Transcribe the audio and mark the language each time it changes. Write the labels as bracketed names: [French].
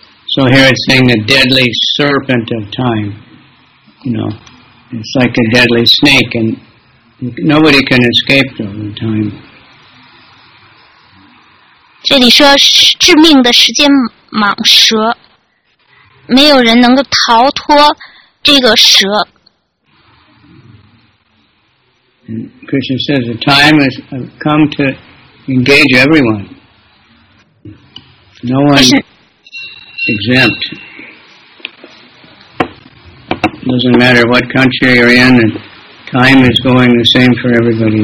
[English] So here it's saying the deadly serpent of time. You know, it's like a deadly snake, and nobody can escape from time. [Chinese] 这里说致命的时间蟒蛇，没有人能够逃脱这个蛇。 [English] And Krishna says the time has come to engage everyone. No one. Exempt. Doesn't matter what country you're in, and time is going the same for everybody.